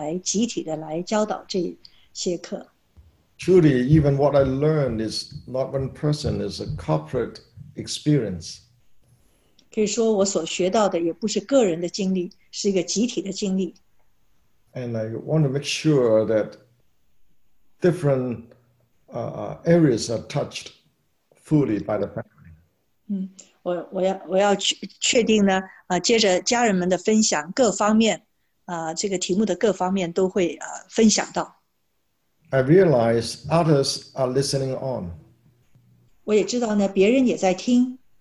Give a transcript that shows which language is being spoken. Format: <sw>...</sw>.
<zh>所以呢，我是邀请有经历圣灵的工作，经历方言的家人们一起来分享，来集体的来教导这些课。</zh> <en>Truly, even what I learned is not one person, is a corporate experience.</en> <zh>可以说我所学到的也不是个人的经历，是一个集体的经历。</zh> <en>And I want to make sure that different areas are touched fully by the family.</en> <zh>我要确定呢，接着家人们的分享，各方面，这个题目的各方面都会分享到。</zh> <en>I realize others are listening on.</en> <zh>我也知道呢，别人也在听。</zh>